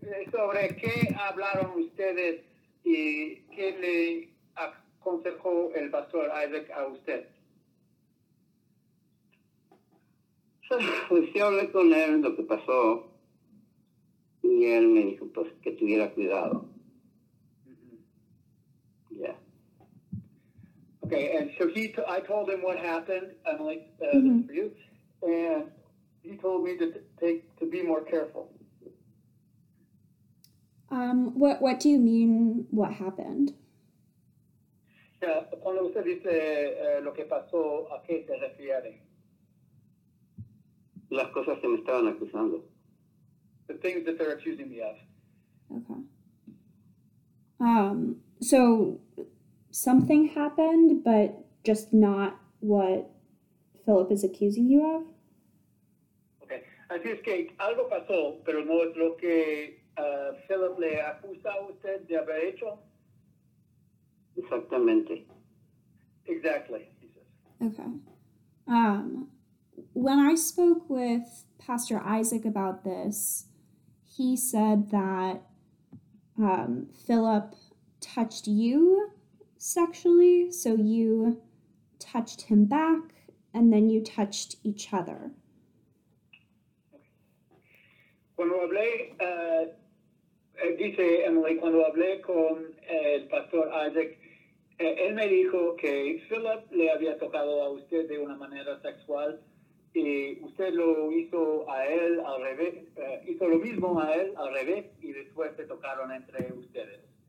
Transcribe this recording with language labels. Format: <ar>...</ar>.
<es>¿Sobre qué hablaron ustedes y qué le aconsejó el pastor Isaac a usted? Pues yo hablé con él lo que pasó y él me dijo pues que tuviera cuidado.</es> <en>Okay, and so I told him what happened, Emily, mm-hmm. for you, and he told me to be more careful. What do you mean, what happened?</en> <es>Yeah, cuando usted dice lo que pasó, ¿a qué se refiere? Las cosas que me estaban acusando.</es> <en>The things that they're accusing me of. Okay. So... something happened, but just not what Philip is accusing you of? Okay.</en> <es>Así es que algo pasó, pero no es lo que Philip le acusa a usted de haber hecho. Exactamente.</es> <en>Exactly. Okay. When I spoke with Pastor Isaac about this, he said that Philip touched you sexually, so you touched him back, and then you touched each other.</en> <es>Cuando hablé, dice Emily, cuando hablé con el pastor Isaac, él me dijo que Philip le había tocado a usted de una manera sexual, y usted lo hizo a él al revés, hizo lo mismo a él al revés, y después se tocaron entre ustedes.</es>